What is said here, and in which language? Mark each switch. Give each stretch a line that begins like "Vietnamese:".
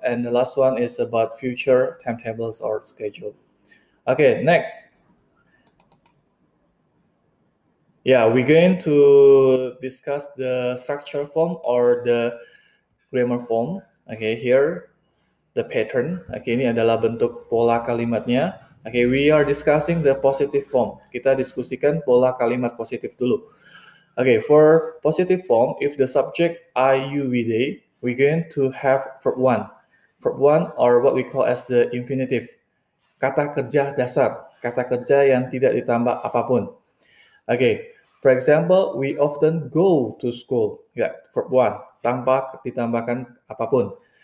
English: And the last one is about future timetables or schedule. Okay, next. Yeah, we're going to discuss the structure form or the grammar form. Okay, here the pattern.
Indonesian: Okay, ini adalah bentuk pola kalimatnya.
English: Okay, we are discussing the positive form.
Indonesian: Kita diskusikan pola kalimat positif dulu.
English: Okay, for positive form, if the subject I, you, we, they, we're going to have verb one. Verb one, or what we call as the infinitive.
Indonesian: Kata kerja dasar. Kata kerja yang tidak ditambah apapun.
English: Okay, for example, we often go to school. Yeah, verb one.
Indonesian: Tanpa ditambahkan apapun.